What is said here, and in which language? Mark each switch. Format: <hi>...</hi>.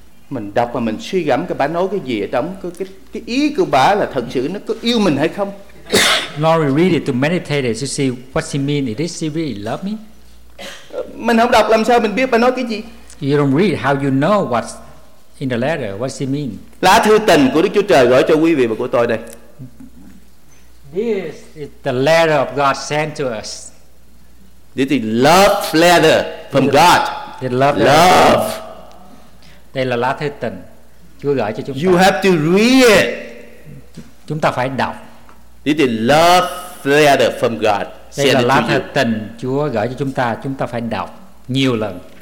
<vi>Mình đọc và mình suy gẫm cái bà nói cái gì ở trong cái ý của bà là thật sự nó có yêu mình hay không.</vi> <en>Lori read it to meditate it to see what she mean. Did she really love me?</en> <vi>Mình không đọc làm sao mình biết bà nói cái gì?</vi> <en>You don't read, how you know what in the letter, what she mean?</en> <vi>Lá thư tình của Đức Chúa Trời gửi cho quý vị và của tôi đây.</vi> <en>This is the letter of God sent to us. This is love letter from God. The love. Love.</en> <vi>Đây là lá thư tình Chúa gửi cho chúng</vi> <en>you</en> <vi>ta.</vi> <en>You have to read it.</en> <vi>Chúng ta phải đọc.</vi> <en>This is love letter from God.</en> <vi>Đây là lá thư tình Chúa gửi cho chúng ta. Chúng ta phải đọc nhiều lần.</vi>